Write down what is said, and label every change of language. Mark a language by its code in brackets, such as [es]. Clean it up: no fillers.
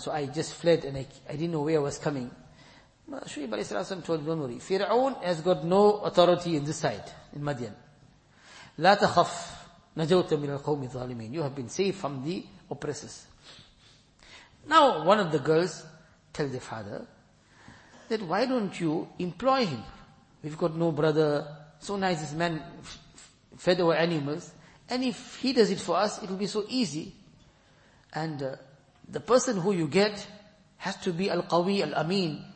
[en] So I just fled and I didn't know where I was coming. Shuaib alayhi salatu wasalam told, don't worry. Fir'aun has got no authority in this side, in Madian. [ar] لا تخف نجوت من القوم الظالمين. [en] You have been saved from the oppressors. Now one of the girls tell the father that why don't you employ him? We've got no brother. So nice this man fed our animals. And if he does it for us, it will be so easy. And the person who you get has to be al-qawi al-amin.